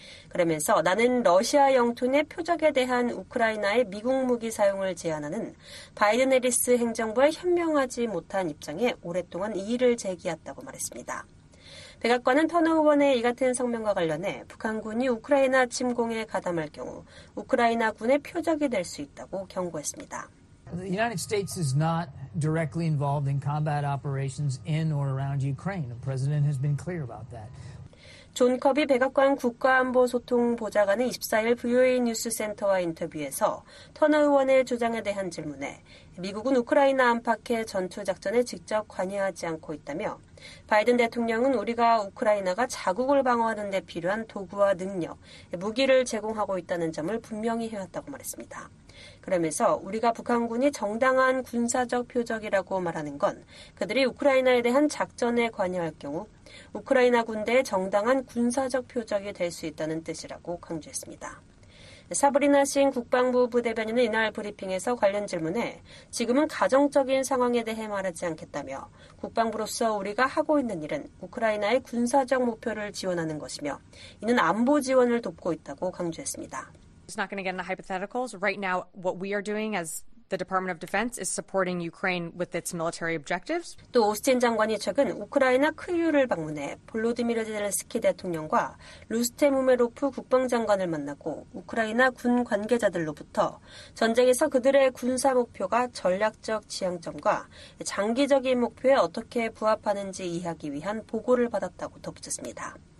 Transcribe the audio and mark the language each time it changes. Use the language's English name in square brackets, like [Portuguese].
[Korean] 그러면서 나는 러시아 영토 내 표적에 대한 우크라이나의 미국 무기 사용을 제한하는 바이든 해리스 행정부의 현명하지 못한 입장에 오랫동안 이의를 제기했다고 말했습니다. 백악관은 터너 의원의 이 같은 성명과 관련해 북한군이 우크라이나 침공에 가담할 경우 우크라이나군의 표적이 될 수 있다고 경고했습니다. [English] The United States is not directly involved in combat operations in or around Ukraine. The president has been clear about that. [Korean] 존 커비 백악관 국가안보소통보좌관은 24일 VOA 뉴스센터와 인터뷰에서 터너 의원의 주장에 대한 질문에 미국은 우크라이나 안팎의 전투작전에 직접 관여하지 않고 있다며 바이든 대통령은 우리가 우크라이나가 자국을 방어하는 데 필요한 도구와 능력, 무기를 제공하고 있다는 점을 분명히 해왔다고 말했습니다. 그러면서 우리가 북한군이 정당한 군사적 표적이라고 말하는 건 그들이 우크라이나에 대한 작전에 관여할 경우 우크라이나 군대의 정당한 군사적 표적이 될 수 있다는 뜻이라고 강조했습니다. 사브리나 신 국방부 부대변인은 이날 브리핑에서 관련 질문에 지금은 가정적인 상황에 대해 말하지 않겠다며 국방부로서 우리가 하고 있는 일은 우크라이나의 군사적 목표를 지원하는 것이며 이는 안보 지원을 돕고 있다고 강조했습니다. [English] It's not going to get into hypotheticals. Right now, what we are doing as the Department of Defense is supporting Ukraine with its military objectives. [Korean] 또 오스틴 장관이 최근 우크라이나 크유를 방문해 볼로디미르 젤렌스키 대통령과 루스템 우메로프 국방장관을 만나고 우크라이나 군 관계자들로부터 전쟁에서 그들의 군사 목표가 전략적 지향점과 장기적인 목표에 어떻게 부합하는지 이해하기 위한 보고를 받았다고 덧붙였습니다.